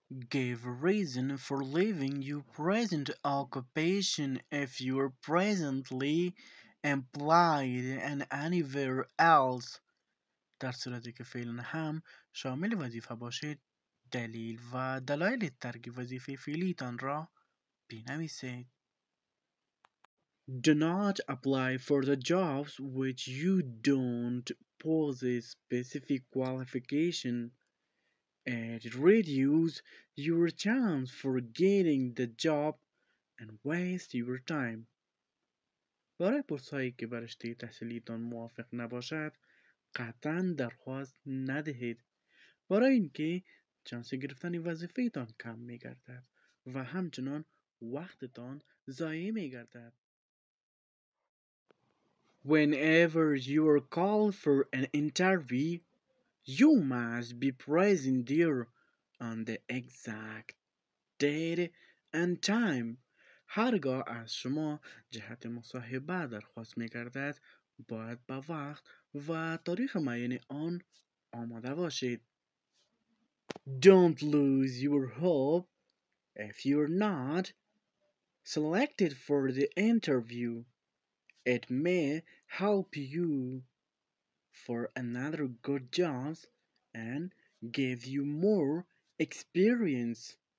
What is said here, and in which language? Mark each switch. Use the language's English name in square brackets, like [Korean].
[English] Give reason for leaving your present occupation if you are presently employed and anywhere else. [Persian] در صورتی که فعلا هم شامل وظیفه باشید، دلیل و دلایل ترک وظیفه فعلیتان را بنویسید. [English] Do not apply for the jobs which you don't possess specific qualification. It reduces your chance for getting the job and waste your time. [Persian] برای پست‌هایی که به رشته تحصیلیتان موافق نباشد، قطعاً درخواست ندهید. برای اینکه شانس گرفتن وظیفه‌تان کم می‌گردد و همچنان وقتتان ضایع می‌گردد. [English] Whenever you are called for an interview, you must be present there on the exact date and time. [Persian] هرگاه از شما جهت مصاحبه درخواست می‌گردد، باید به وقت و تاریخ معین آن آماده باشید. [English] Don't lose your hope if you are not selected for the interview. It may help you for another good job and give you more experience.